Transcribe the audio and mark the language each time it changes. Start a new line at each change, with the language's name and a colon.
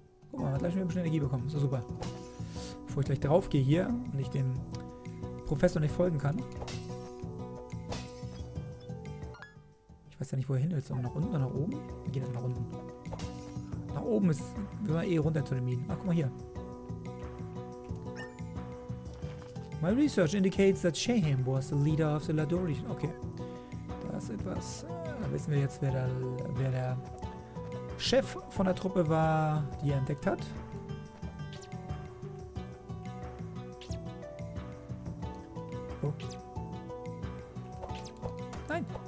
German: Guck mal, gleich schon Energie bekommen. So, super. Bevor ich gleich drauf gehe hier und ich dem Professor nicht folgen kann. Ich weiß ja nicht, wo er hin ist. Aber nach unten oder nach oben? Wir gehen dann nach unten. Nach oben ist, wir wollen eh runter zu den Minen. Ach, guck mal hier.
English: My research indicates that Shaheem was the leader of the Ladorian.
German: Okay. Da ist etwas... Wissen wir jetzt, wer der Chef von der Truppe war, die er entdeckt hat. Oh. Nein!